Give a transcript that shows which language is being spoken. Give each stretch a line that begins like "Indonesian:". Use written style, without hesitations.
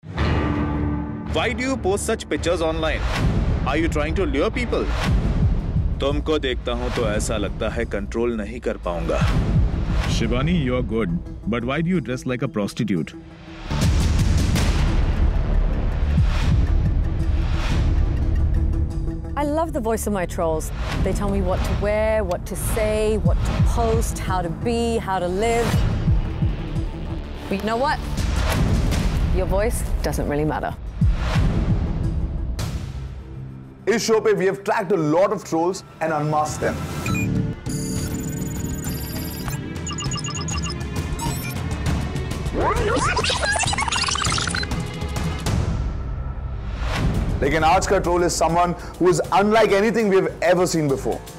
English: Why do you post such pictures online? Are you trying to lure people?
Hindi: तुमको देखता हूँ तो ऐसा लगता है कंट्रोल नहीं कर पाऊंगा.
English: Shivani, you are good, but why do you dress like a prostitute? I love the voice of my trolls. They tell me what to wear, what to say, what to post, how to be, how to live. But you know what? Your voice doesn't really matter.
Hindi: इस show पे
English: We have tracked a lot of trolls and unmasked them.
Hindi: लेकिन आज का
English: Troll is someone who is unlike anything we have ever seen before.